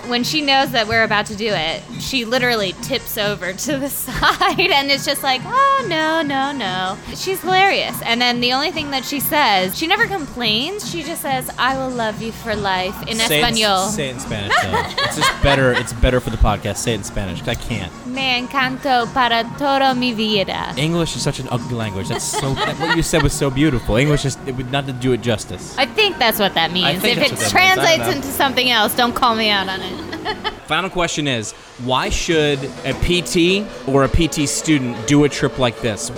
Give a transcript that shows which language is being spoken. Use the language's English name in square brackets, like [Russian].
[English] When she knows that we're about to do it, she literally tips over to the side, and it's just like, oh, no, no, no. She's hilarious. And then the only thing that she says, she never complains. She just says, I will love you for life in Espanol. Say it in Spanish, though. It's just better. It's better for the podcast. Say it in Spanish. I can't. [Spanish] Me encanto para toda mi vida. [English] English is such an ugly language. That's so. What you said was so beautiful. English is, it would not do it justice. I think that's what that means. If it translates into something else, don't call me out on it. Final question is, why should a PT or a PT student do a trip like this?